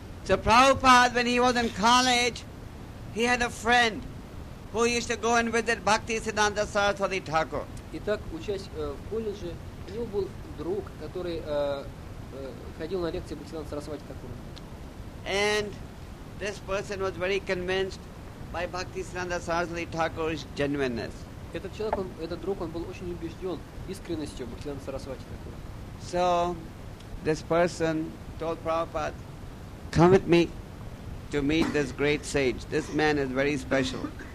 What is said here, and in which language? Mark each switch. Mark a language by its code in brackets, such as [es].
[en] So Prabhupada, when he was in college, he had a friend who used to go and visit Bhakti Siddhanta Saraswati Thakur. [ru] Итак, учась в колледже, у него был друг, который ходил на лекции Бхактисиддханта Сарасвати Такура. [en] And this person was very convinced by Bhaktisiddhanta Saraswati Thakur's genuineness. [ru] Этот человек, этот друг, он был очень убежден искренностью Бхактисиддханта Сарасвати Такура. [en] So this person told Prabhupada, "Come with me to meet this great sage. This man is very special."